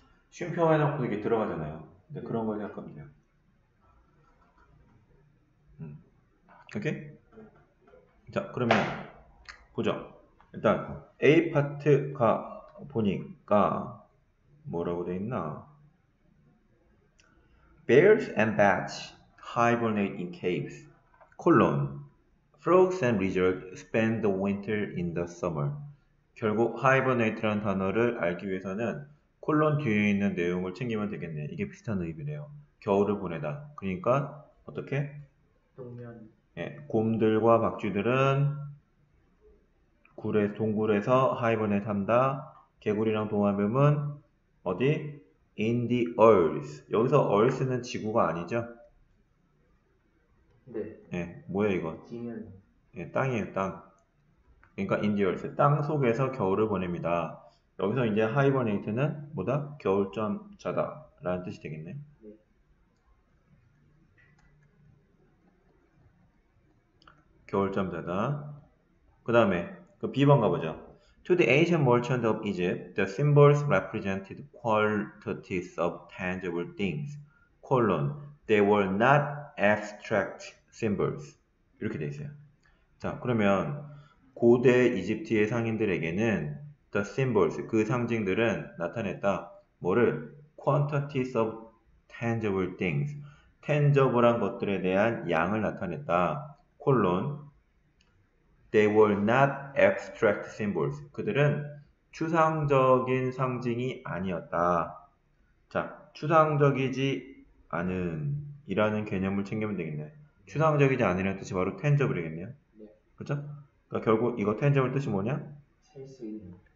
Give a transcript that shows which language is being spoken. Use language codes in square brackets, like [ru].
[ko] 쉼표 해놓고 이렇게 들어가잖아요. 근데 그런 걸 생각하면 돼요. 오케이? 자, 그러면 보죠. 일단 A 파트가 보니까 뭐라고 돼 있나? [en] Bears and bats hibernate in caves. Colon. Frogs and lizards spend the winter in the summer. [ko] 결국 hibernate라는 단어를 알기 위해서는 콜론 뒤에 있는 내용을 챙기면 되겠네. 이게 비슷한 의미네요. 겨울을 보내다. 그러니까 어떻게? 동면 예, 곰들과 박쥐들은 동굴에서 하이버넷 한다. 개구리랑 도마뱀은 어디? [en] In the earth. [ko] 여기서 earth는 지구가 아니죠? 네. 예, 뭐야 이건? 지면 예, 땅이에요, 땅. 그러니까 [en] in the earth. [ko] 땅 속에서 겨울을 보냅니다. 여기서 이제 하이버네이트는 뭐다? 겨울잠 자다. 라는 뜻이 되겠네. 겨울잠 자다. 그 다음에 그 B번 가보죠. [en] To the ancient merchant of Egypt, the symbols represented quantities of tangible things. Colon. They were not abstract symbols. [ko] 이렇게 돼 있어요. 자, 그러면 고대 이집트의 상인들에게는 [en] the symbols, [ko] 그 상징들은 나타냈다. 뭐를? [en] Quantities of tangible things. [ko] Tangible한 것들에 대한 양을 나타냈다. 콜론. [en] They were not abstract symbols. [ko] 그들은 추상적인 상징이 아니었다. 자, 추상적이지 않은 이라는 개념을 챙기면 되겠네. 추상적이지 않으라는 뜻이 바로 tangible이겠네요. 그렇죠? 그러니까 결국 이거 tangible 뜻이 뭐냐? 셀수 있는